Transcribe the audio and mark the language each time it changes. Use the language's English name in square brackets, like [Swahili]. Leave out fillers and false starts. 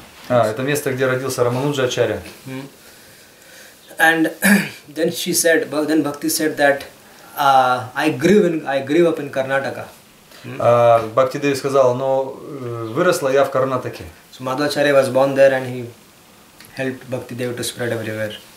[Russian] А, это место, где родился Рамануджачарья. [English] And then she said, then Bhakti said that I grew up in Karnataka. [Russian] Bhakti Devi сказала, но выросла я в Карнатаке. [English] So Madhvacharya was born there and he helped Bhakti Devi to spread everywhere.